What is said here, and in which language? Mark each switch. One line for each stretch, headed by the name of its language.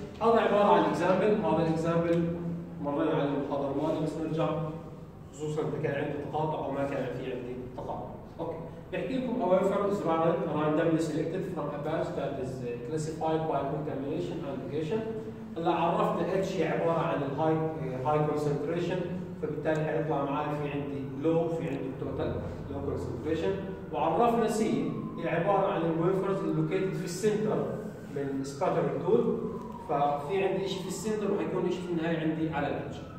Arabic: هذا عبارة عن إكزامبل، هذا الإكزامبل مرينا على المحاضرة الماضية بس نرجع خصوصا إذا كان عندي تقاطع أو ما كان في عندي تقاطع. أوكي. بحكي لكم
English: our firm is randomly selected from a batch that is classified by contamination and aggregation.
Arabic: هلا عرفت H هي عبارة عن
English: high concentration،
Arabic: فبالتالي حيطلع معي في عندي low، في عندي
English: total low concentration.
Arabic: وعرفنا C هي عبارة عن
English: wafers located
Arabic: في السنتر من
English: scattering tool،
Arabic: ففي عندي إشي في السنتر وحيكون إشي في النهاية عندي على الإتش.